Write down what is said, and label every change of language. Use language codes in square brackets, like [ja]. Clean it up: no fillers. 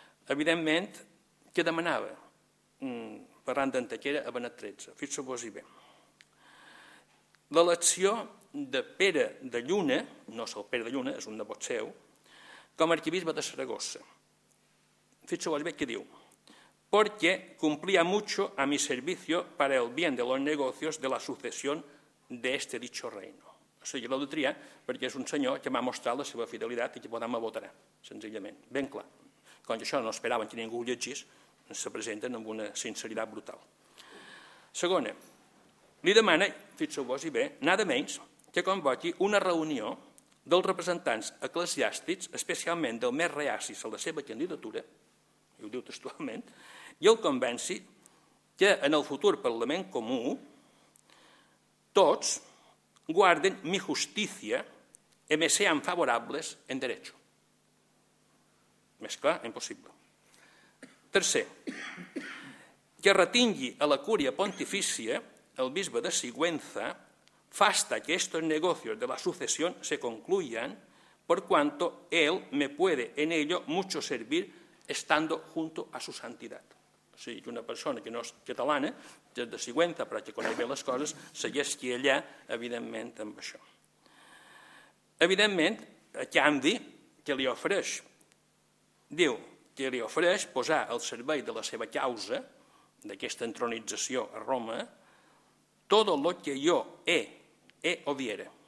[ca] Evidentment, què demanava Ferran d'Antequera a Benet XIII? Fixeu-vos-hi bé. L'elecció de Pere de Lluna, no és el Pere de Lluna, és un nebot seu, com a arquebisbe de Saragossa. Fixeu-vos-hi bé què diu. [es] Porque cumplía mucho a mi servicio para el bien de los negocios de la sucesión de este dicho reino. [ca] O sigui, l'heu de triar perquè és un senyor que m'ha mostrat la seva fidelitat i que podem me votarà, senzillament, ben clar. Com que això no esperaven que ningú ho llegís, se presenten amb una sinceritat brutal. Segona, li demana, fixeu-vos-hi bé, nada menys que convoqui una reunió dels representants eclesiàstics, especialment del més reacis a la seva candidatura, i ho diu textualment, i el convenci que en el futur Parlament Comú tots guarden mi justícia i [es] me sean favorables en derecho. [ca] Més clar, impossible. Tercer, que retingui a la cúria pontifícia el bisbe de Sigüenza [es] fasta que estos negocios de la sucesión se concluyan por cuanto él me puede en ello mucho servir estando junto a su santidad. [ca] O sigui, que una persona que no és catalana, que és de Sigüenza, però que coneix bé les coses, segueix qui allà, evidentment, amb això. Evidentment, a canvi, que li ofereix? Diu que li ofereix posar al servei de la seva causa, d'aquesta entronització a Roma, tot el que jo he o viera.